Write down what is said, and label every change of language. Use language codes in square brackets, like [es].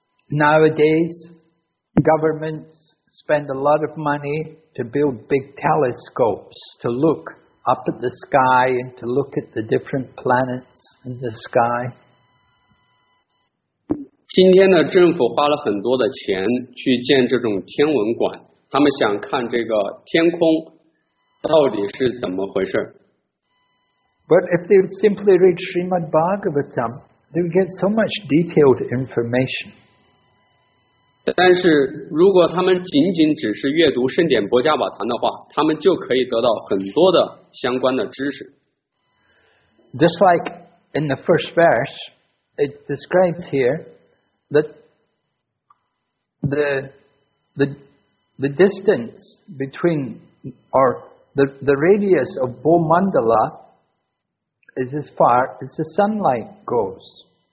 [en] Nowadays, governments spend a lot of money to build big telescopes to look up at the sky and to look at the different planets in the sky. [zh] 今天的政府花了很多的钱去建这种天文馆，他们想看这个天空到底是怎么回事。 [en] But if they would simply read Srimad Bhagavatam, they would get so much detailed information. [zh] 但是如果他们仅仅只是阅读圣典博加瓦坛的话，他们就可以得到很多的相关的知识。 [en] Just like in the first verse, it describes here that the distance between or the radius of Bhumandala is as far as the sunlight goes.